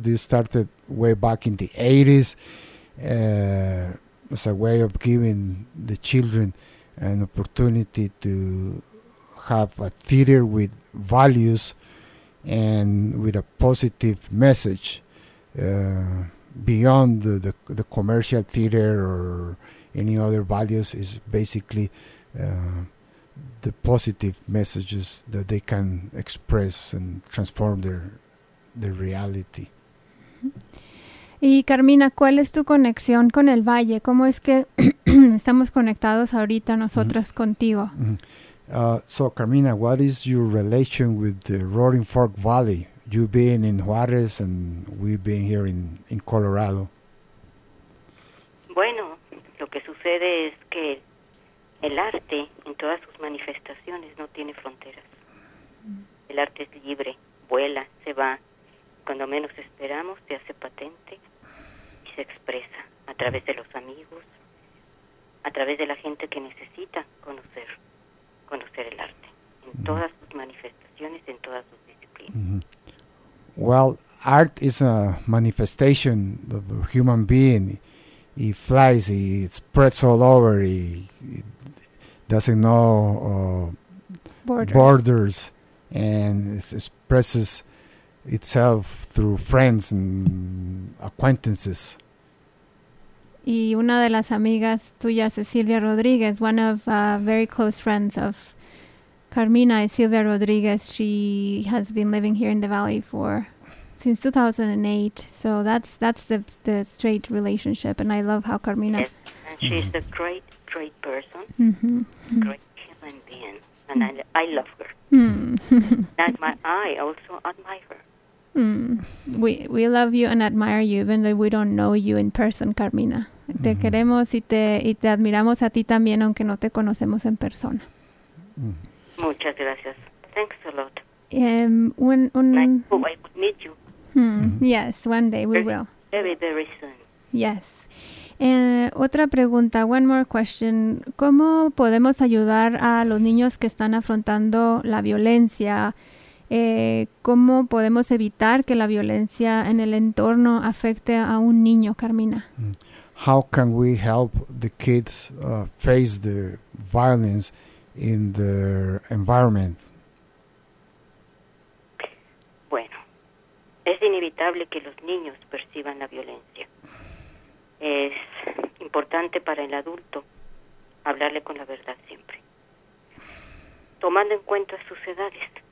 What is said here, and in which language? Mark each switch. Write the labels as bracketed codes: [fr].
[en] This started way back in the 80s as a way of giving the children an opportunity to have a theater with values and with a positive message beyond the commercial theater or any other values. Is basically the positive messages that they can express and transform their reality. [es] Y Carmina, ¿cuál es tu conexión con el Valle? ¿Cómo es que estamos conectados ahorita nosotras mm-hmm. contigo? Mm-hmm. [en] So, Carmina, what is your relation with the Roaring Fork Valley? You being in Juárez and we being here in Colorado. [es] Bueno, lo que sucede es que el arte en todas sus manifestaciones no tiene fronteras. El arte es libre, vuela, se va. Cuando menos esperamos, se hace patente y se expresa a través de los amigos, a través de la gente que necesita conocer el arte, en todas sus manifestaciones, en todas sus disciplinas. Mm-hmm. [en] Well, art is a manifestation of a human being. He flies, it spreads all over, it doesn't know borders, and it expresses itself through friends and acquaintances. [es] Y una de las amigas tuyas es Silvia Rodriguez. [en] One of very close friends of Carmina is Silvia Rodriguez. She has been living here in the valley since 2008. So that's the straight relationship. And I love how Carmina. Yes, and she's mm-hmm. a great, great person. Mm-hmm. Great human being. And mm-hmm. I love her. I also admire her. We love you and admire you, even though we don't know you in person, Carmina. Mm-hmm. [es] Te queremos y te admiramos a ti también, aunque no te conocemos en persona. [en] Mm. [es] Muchas gracias. [en] Thanks a lot. I would meet you. Mm-hmm. Yes, one day we will. Very, very soon. Yes. [es] Otra pregunta, [en] one more question. [es] ¿Cómo podemos ayudar a los niños que están afrontando la violencia? ¿Cómo podemos evitar que la violencia en el entorno afecte a un niño, Carmina? [en] How can we help the kids face the violence in their environment? [es] Bueno, Es inevitable que los niños perciban la violencia. Es importante para el adulto hablarle con la verdad siempre, tomando en cuenta sus edades.